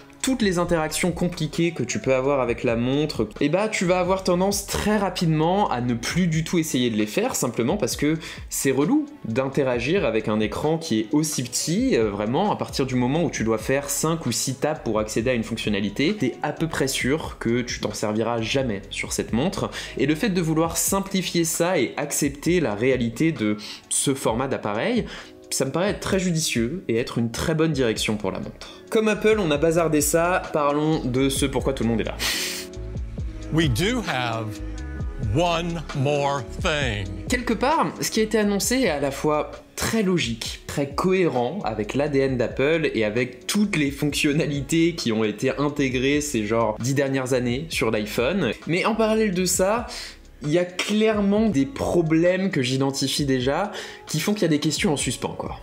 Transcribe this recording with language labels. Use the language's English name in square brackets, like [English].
[French] toutes les interactions compliquées que tu peux avoir avec la montre, tu vas avoir tendance très rapidement à ne plus du tout essayer de les faire, simplement parce que c'est relou d'interagir avec un écran qui est aussi petit, vraiment, à partir du moment où tu dois faire 5 ou 6 tapes pour accéder à une fonctionnalité, t'es à peu près sûr que tu t'en serviras jamais sur cette montre, et le fait de vouloir simplifier ça et accepter la réalité de ce format d'appareil, ça me paraît être très judicieux et être une très bonne direction pour la montre. Comme Apple, on a bazardé ça, parlons de ce pourquoi tout le monde est là. [English] We do have one more thing. [French] Quelque part, ce qui a été annoncé est à la fois très logique, très cohérent avec l'ADN d'Apple et avec toutes les fonctionnalités qui ont été intégrées ces genre 10 dernières années sur l'iPhone. Mais en parallèle de ça, il y a clairement des problèmes que j'identifie déjà qui font qu'il y a des questions en suspens, quoi.